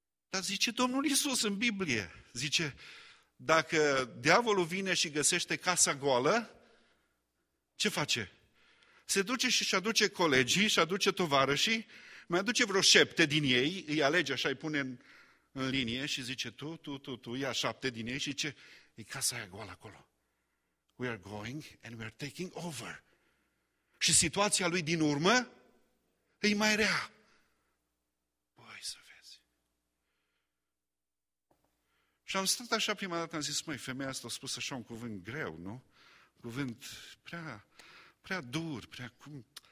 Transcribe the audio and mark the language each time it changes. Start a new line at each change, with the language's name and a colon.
Romanian: Dar zice Domnul Iisus în Biblie, zice, dacă diavolul vine și găsește casa goală, ce face? Se duce și aduce colegii, și aduce tovarășii, mai aduce vreo 7 din ei, îi alege așa, îi pune în linie și zice: tu, ia 7 din ei și zice: e casa aia goală acolo.
English: We are going and we are taking over.
Romanian: Și situația lui din urmă e mai rea. Băi, să vezi. Și am stat așa prima dată, am zis: măi, femeia asta a spus așa un cuvânt greu, nu? Cuvânt prea dur, prea cum...